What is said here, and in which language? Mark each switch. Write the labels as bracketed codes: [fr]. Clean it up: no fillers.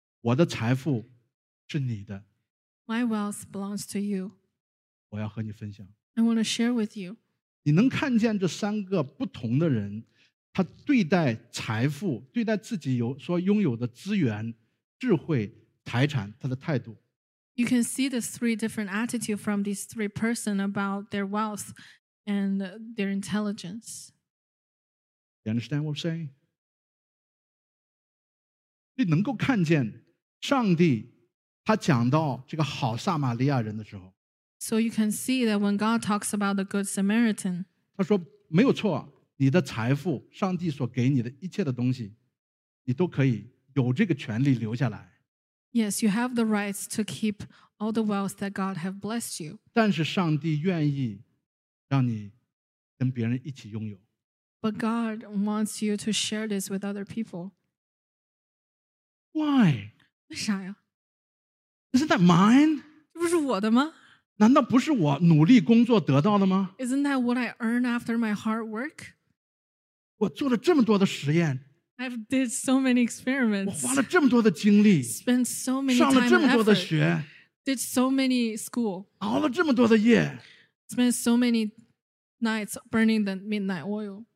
[zh] 我的财富是你的。 [en] My wealth belongs to you. [zh] 我要和你分享。 [en] I want to share with you. [zh] 你能看见这三个不同的人，他对待财富，对待自己所拥有的资源智慧财产他的态度。 [en] You can see the three different attitudes from these three persons about their wealth and their intelligence. You understand what I'm saying? [zh] 你能够看见上帝他讲到这个好撒玛利亚人的时候。 [en] So you can see that when God talks about the good Samaritan, [zh] 他说没有错，你的财富，上帝所给你的一切的东西，你都可以有这个权利留下来。 [en] Yes, you have the rights to keep all the wealth that God has blessed you. [zh] 但是上帝愿意让你跟别人一起拥有。 [en] But God wants you to share this with other people. Why? [zh] 为啥呀？ [en] Isn't that mine? [zh] 这不是我的吗？难道不是我努力工作得到的吗？ [en] Isn't that what I earn after my hard work? [zh] 我做了这么多的实验。 [en] I've did so many experiments. [zh] 我花了这么多的精力。 [en] Spent so many time and effort. [zh] 上了这么多的学。 [en] Did so many school. [zh] 熬了这么多的夜。 [en] Spent so many nights burning the midnight oil.